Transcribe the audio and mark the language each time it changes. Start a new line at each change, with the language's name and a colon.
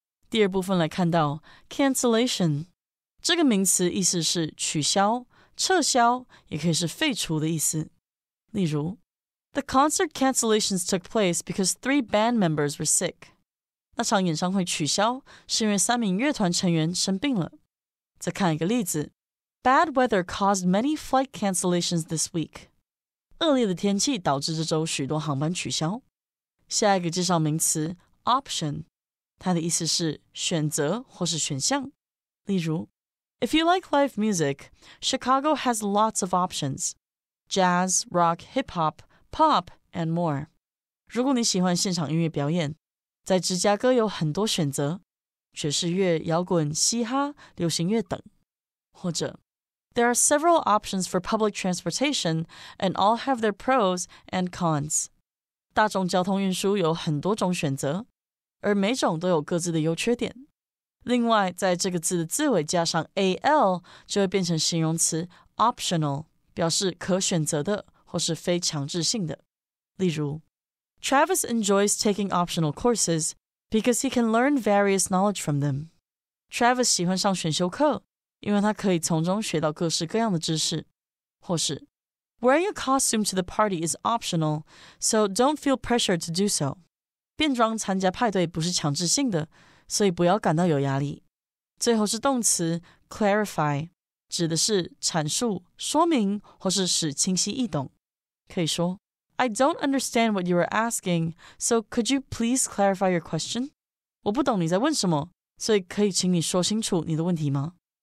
Chinese: 第二部分来看到 cancellation 这个名词，意思是取消、撤销，也可以是废除的意思。例如
English: ，The concert cancellations took place because 3 band members were sick.
Chinese: 那场演唱会取消是因为三名乐团成员生病了。再看一个例子
English: ，Bad weather caused many flight cancellations this week.
Chinese: 恶劣的天气导致这周许多航班取消。下一个介绍名词 option。它的意思是选择或是选项。
English: 例如 If you like live music, Chicago has lots of options. Jazz, rock, hip-hop, pop, and more.
Chinese: 如果你喜欢现场音乐表演，在芝加哥有很多选择，爵士乐、摇滚、嘻哈、流行乐等。或者
English: There are several options for public transportation, and all have their pros and cons.
Chinese: 大众交通运输有很多种选择，而每种都有各自的优缺点。另外，在这个字的字尾加上 al， 就会变成形容词 optional， 表示可选择的或是非强制性的。例如
English: ，Travis enjoys taking optional courses because he can learn various knowledge from them.
Chinese: Travis 喜欢上选修课，因为他可以从中学到各式各样的知识。或是
English: ，Wearing a costume to the party is optional, so don't feel pressured to do so.
Chinese: 变装参加派对不是强制性的。所以不要感到有压力。最后是动词 clarify， 指的是阐述、说明或是使清晰易懂。可以说
English: I don't understand what you are asking, so could you please clarify your question?
Chinese: 我不懂你在问什么，所以可以请你说清楚你的问题吗？